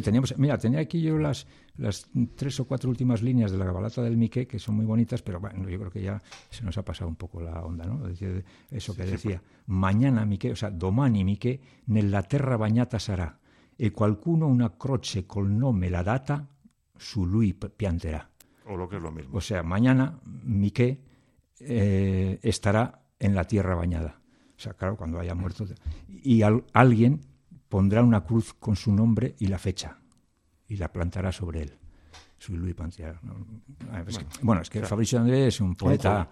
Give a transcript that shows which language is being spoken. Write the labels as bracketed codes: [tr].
[es] Tenía aquí yo las tres o cuatro últimas líneas de la Cabalata del Miquel, que son muy bonitas, pero bueno, yo creo que ya se nos ha pasado un poco la onda, ¿no? Eso que sí, decía, sí, pues. Mañana Miquel, o sea, [it] domani Miquel, nella terra bagnata sarà, e qualcuno una croce col nome la data su lui pianterà. [es] O lo que es lo mismo. O sea, mañana Miquel estará en la tierra bañada. O sea, claro, cuando haya muerto. Y alguien pondrá una cruz con su nombre y la fecha, y la plantará sobre él. Soy Luis Pantear. Bueno, es que, o sea, Fabrizio D'André es un poeta,